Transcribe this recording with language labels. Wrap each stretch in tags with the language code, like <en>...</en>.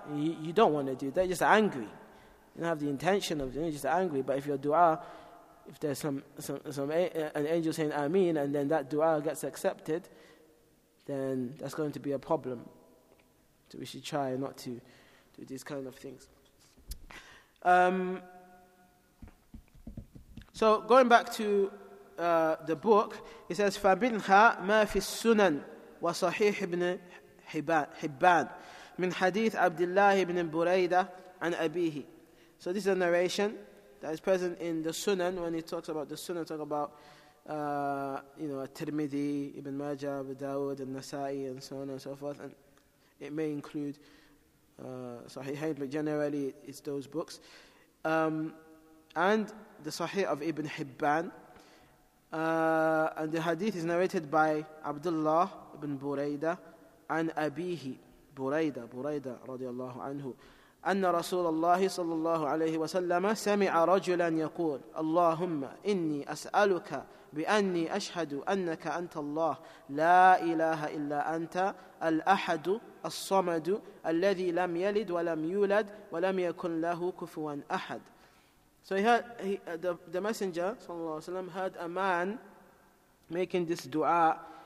<en>You don't want to do that. You're just angry. You don't have the intention of doing it. You're just angry. But if your dua, if there's an angel saying Ameen, and then that dua gets accepted, then that's going to be a problem. So we should try not to do these kind of things. So going back to the book, it says,</en> <ar>فَبِنْهَا مَا فِي السُّنَنِ وَصَحِيحِ ابْنِ حِبَّانِ مِنْ حَدِيثِ عَبْدِ اللَّهِ بْنِ بُرَيْدَةِ عَنْ أَبِيهِ.</ar> <en>So this is a narration that is present in the Sunan. When he talks about the Sunan, talk about, Tirmidhi, Ibn Majah, Abu Dawud, and Nasa'i, and so on and so forth. And it may include Sahihain, but generally it's those books. And the Sahih of Ibn Hibban. And the hadith is narrated by Abdullah ibn Buraydah and Abihi Buraydah radiallahu anhu.</en> <ar>أن رسول الله صلى الله عليه وسلم سمع رجلا يقول اللهم إني أسألك بأني أشهد أنك أنت الله لا إله إلا أنت الأحد الصمد الذي لم يلد ولم يولد ولم يكن له كفوا أحد.</ar> <en>So the messenger صلى الله عليه وسلم heard a man making this dua.</en>